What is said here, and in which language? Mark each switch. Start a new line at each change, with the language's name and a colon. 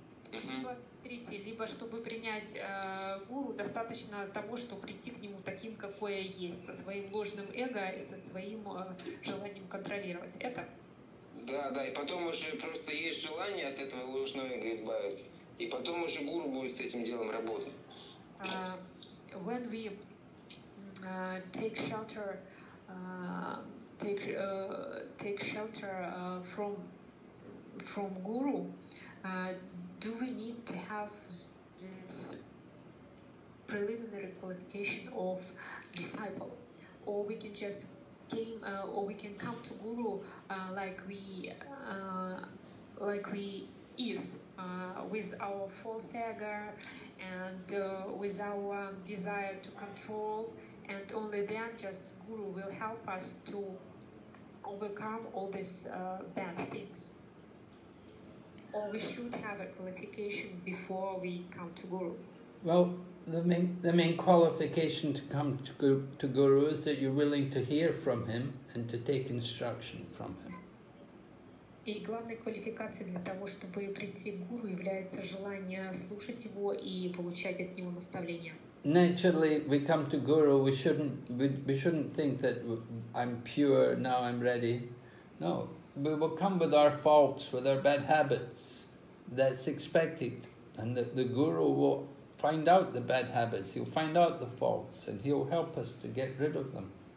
Russian: Либо, смотрите, либо чтобы принять гуру, достаточно того, что прийти к нему таким, какое есть, со своим ложным эго и со своим желанием контролировать. Это? Да, да, и потом уже просто есть желание от этого ложного эго избавиться. И потом уже гуру будет с этим делом работать.
English: When we take shelter, take shelter from guru, do we need to have this preliminary qualification of disciple, or we can just came, or we can come to guru like we is with our false ego and with our desire to control, and only then just guru will help us to overcome all these bad things? Or we should have a qualification before we come to guru? Well, the main qualification to come to guru is that you're willing to hear from him and to take instruction from him.
Russian: И главной квалификацией для того, чтобы прийти к гуру, является желание слушать его и получать от него наставления.
English: Naturally, we come to guru, we shouldn't think that I'm pure, now I'm ready. No. We will come with our faults, with our bad habits. That's expected. And the guru will find out the bad habits, he'll find out the faults, and he'll help us to get rid of them.